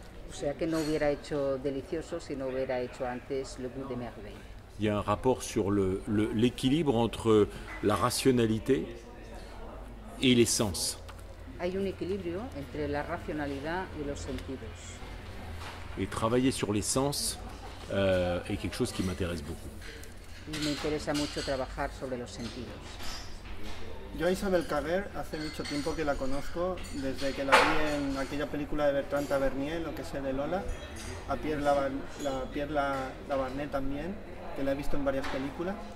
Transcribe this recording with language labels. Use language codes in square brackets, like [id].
[es] O sea que no hubiera hecho delicioso si no hubiera hecho antes Le Goût des Merveilles. [fr] Il y a un rapport sur l'équilibre entre la rationalité et les sens. [es] Hay un equilibrio entre la racionalidad y los sentidos. [fr] Et travailler sur les sens est quelque chose qui m'intéresse beaucoup. [es] Y me interesa mucho trabajar sobre los sentidos. Yo a Isabel Carrer hace mucho tiempo que la conozco, desde que la vi en aquella película de Bertrand Tavernier, Lo que sé de Lola, a Pierre Lavarnet también, que la he visto en varias películas.